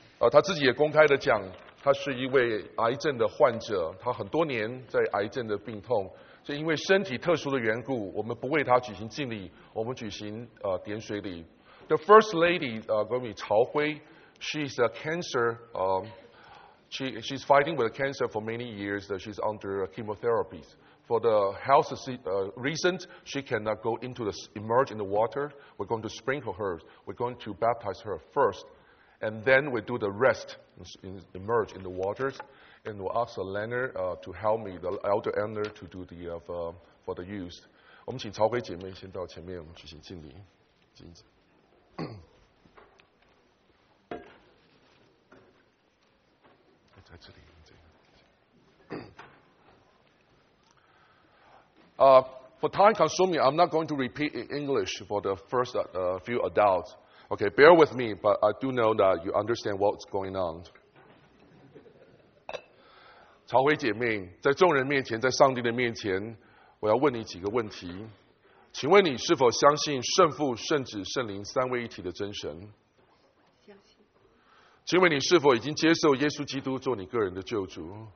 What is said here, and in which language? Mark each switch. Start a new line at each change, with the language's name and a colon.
Chinese: 她自己也公开的讲，他是一位癌症的患者，他很多年在癌症的病痛，所以因为身体特殊的缘故，我们不为他举行敬礼，我们举行点水礼。
English: The first lady, Chao Hui, she's a cancer, she's fighting with cancer for many years. She's under chemotherapy. For the health reasons, she cannot go into the immerse in the water. We're going to sprinkle her. We're going to baptize her first. And then we do the rest, emerge in the waters, and we ask Leonard to help me, the elder Leonard, to do the for the use.
Chinese: 我们请曹辉姐妹先到前面，我们举行敬礼。在这里。
English: For time consuming, I'm not going to repeat in English for the first few adults. Okay, bear with me, but I do know that you understand what's going on.
Chinese: 曹辉姐妹，在众人面前，在上帝的面前，我要问你几个问题。请问你是否相信圣父、圣子、圣灵三位一体的真神？相信。请问你是否已经接受耶稣基督做你个人的救主？